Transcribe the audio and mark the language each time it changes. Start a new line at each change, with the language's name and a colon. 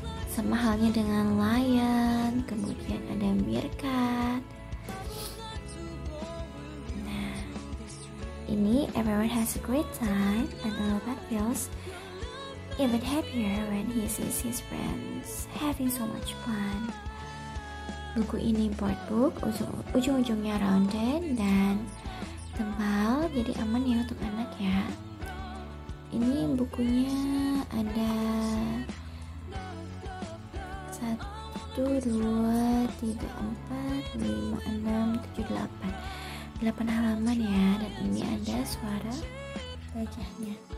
Indonesian: Sama halnya dengan lion, kemudian ada meerkat. Ini
English: everyone has a great time and the elephant feels even happier when he sees his friends having so much fun.
Indonesian: Buku ini board book, ujung-ujungnya rounded dan tebal, jadi aman ya untuk anak ya. Ini bukunya ada 1, 2, 3, 4, 5, 6, 7, 8 8 halaman ya, dan ini ada suara gajahnya.